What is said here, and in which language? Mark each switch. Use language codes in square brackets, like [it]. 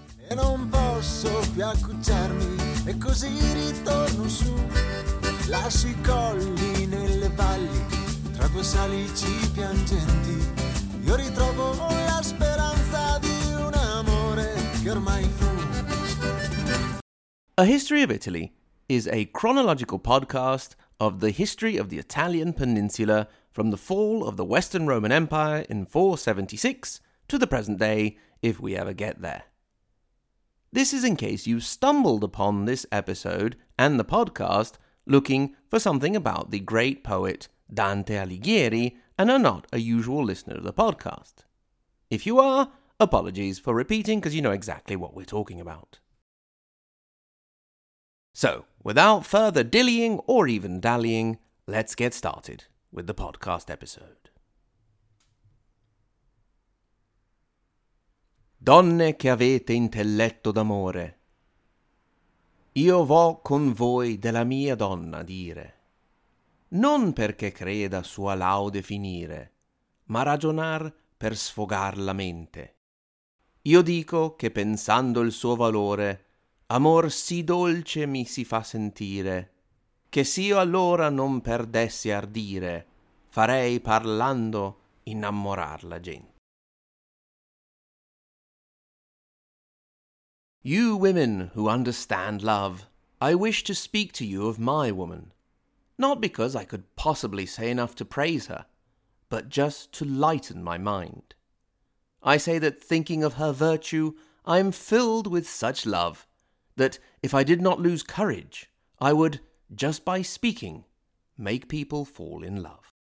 [it] E non posso più accucciarmi e così ritorno su. Lasci I colli nelle valli, tra due salici piangenti. Io ritrovo la speranza di un amore che ormai fu. [en] A History of Italy is a chronological podcast of the history of the Italian peninsula from the fall of the Western Roman Empire in 476 to the present day, if we ever get there. This is in case you stumbled upon this episode and the podcast looking for something about the great poet Dante Alighieri and are not a usual listener of the podcast. If you are, apologies for repeating because you know exactly what we're talking about. So, without further dillying or even dallying, let's get started with the podcast episode. [it] Donne che avete intelletto d'amore, io vo con voi della mia donna dire, non perché creda sua laude finire, ma ragionar per sfogar la mente. Io dico che pensando il suo valore, amor sì dolce mi si fa sentire, che s'io allora non perdessi ardire, farei parlando innamorar la gente. [en] You women who understand love, I wish to speak to you of my woman, not because I could possibly say enough to praise her, but just to lighten my mind. I say that thinking of her virtue, I am filled with such love, that if I did not lose courage, I would, just by speaking, make people fall in love.